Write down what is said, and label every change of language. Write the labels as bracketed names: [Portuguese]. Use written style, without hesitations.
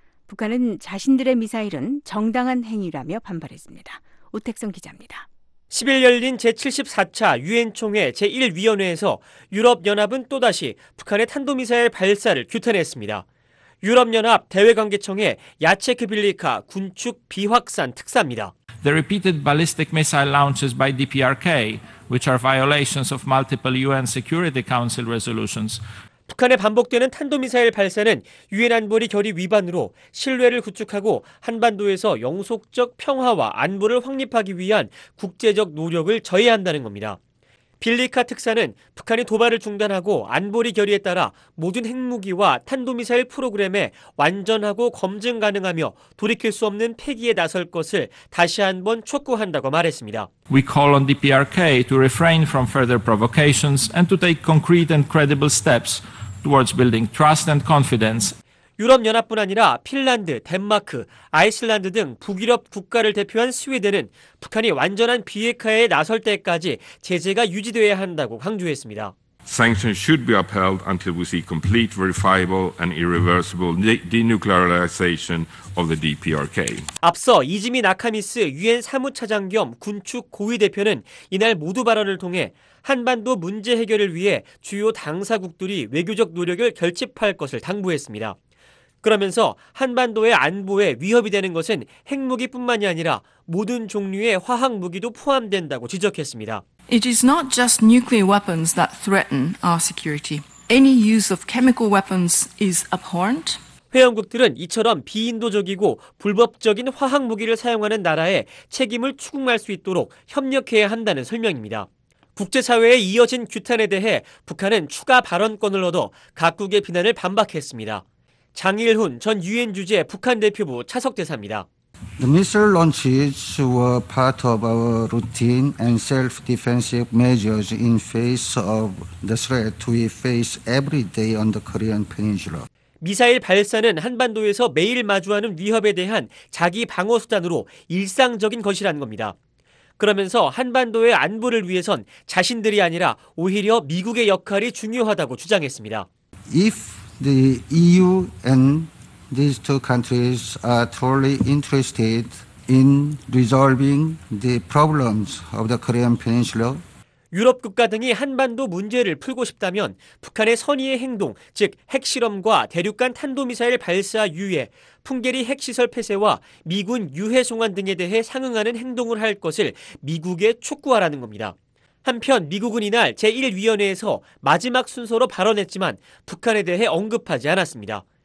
[Korean] 북한은 자신들의 미사일은 정당한 행위라며 반발했습니다. 오택성 기자입니다. 10일 열린 제74차 유엔 총회 제1위원회에서 유럽연합은 또다시 북한의 탄도미사일 발사를 규탄했습니다. 유럽연합 대외관계청의 야체크 빌리카 군축 비확산 특사입니다. [English] The repeated ballistic missile launches by DPRK, which are violations of multiple UN Security Council resolutions. [Korean] 북한의 반복되는 탄도미사일 발사는 유엔 안보리 결의 위반으로 신뢰를 구축하고 한반도에서 영속적 평화와 안보를 확립하기 위한 국제적 노력을 저해한다는 겁니다. 빌리카 특사는 북한이 도발을 중단하고 안보리 결의에 따라 모든 핵무기와 탄도미사일 프로그램에 완전하고 검증 가능하며 돌이킬 수 없는 폐기에 나설 것을 다시 한번 촉구한다고 말했습니다. [English] We call on DPRK to refrain from further provocations and to take concrete and credible steps towards building trust and confidence. [Korean] 유럽연합뿐 아니라 핀란드, 덴마크, 아이슬란드 등 북유럽 국가를 대표한 스웨덴은 북한이 완전한 비핵화에 나설 때까지 제재가 유지돼야 한다고 강조했습니다. [English] Sanctions should be upheld until we see complete, verifiable and irreversible denuclearization of the DPRK. [Korean] 앞서 이즈미 나카미스 유엔 사무차장 겸 군축 고위 대표는 이날 모두 발언을 통해 한반도 문제 해결을 위해 주요 당사국들이 외교적 노력을 결집할 것을 당부했습니다. 그러면서 한반도의 안보에 위협이 되는 것은 핵무기뿐만이 아니라 모든 종류의 화학 무기도 포함된다고 지적했습니다. [English] It is not just nuclear weapons that threaten our security. Any use of chemical weapons is abhorrent. [Korean] 회원국들은 이처럼 비인도적이고 불법적인 화학 무기를 사용하는 나라에 책임을 추궁할 수 있도록 협력해야 한다는 설명입니다. 국제사회에 이어진 규탄에 대해 북한은 추가 발언권을 얻어 각국의 비난을 반박했습니다. 장일훈 전 유엔 주재 북한 대표부 차석 대사입니다. [English] The missile launches were part of our routine and self-defensive measures in face of the threat we face every day on the Korean Peninsula. [Korean] 미사일 발사는 한반도에서 매일 마주하는 위협에 대한 자기 방어 수단으로 일상적인 것이라는 겁니다. 그러면서 한반도의 안보를 위해선 자신들이 아니라 오히려 미국의 역할이 중요하다고 주장했습니다. [English] If The EU and these two countries are totally interested in resolving the problems of the Korean Peninsula. [Korean] 유럽 국가 등이 한반도 문제를 풀고 싶다면 북한의 선의의 행동, 즉 핵실험과 대륙간 탄도미사일 발사 유예, 풍계리 핵시설 폐쇄와 미군 유해 송환 등에 대해 상응하는 행동을 할 것을 미국에 촉구하라는 겁니다. 한편 미국은 이날 제1위원회에서 마지막 순서로 발언했지만 북한에 대해 언급하지 않았습니다.